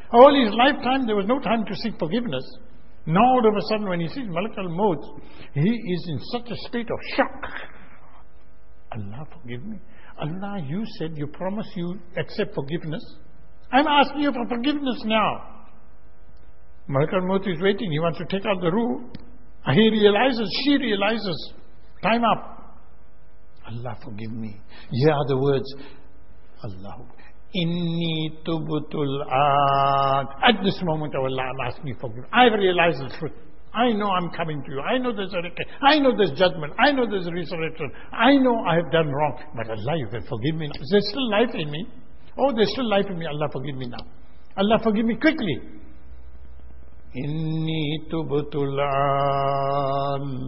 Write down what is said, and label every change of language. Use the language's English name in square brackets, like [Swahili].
[English] All his lifetime, there was no time to seek forgiveness. Now all of a sudden, when he sees Malak al-Maut, he is in such a state of shock. Allah, forgive me. Allah, you said, you promised you accept forgiveness. I'm asking you for forgiveness now. Malak al-Maut is waiting. He wants to take out the ruh. He realizes, she realizes. Time up. Allah, forgive me. Here are the words. [Arabic] Allah, إِنِّي تُبْتُ الْآنَ. [English] At this moment, oh Allah, I'm asking you forgiveness. I've realized the truth. I know I'm coming to you. I know there's a record. I know there's judgment. I know there's a resurrection. I know I have done wrong. But Allah, you can forgive me. Is there still life in me? Oh, there's still life in me. Allah, forgive me now. Allah, forgive me quickly. [Arabic] إِنِّي تُبْتُ الْآنَ.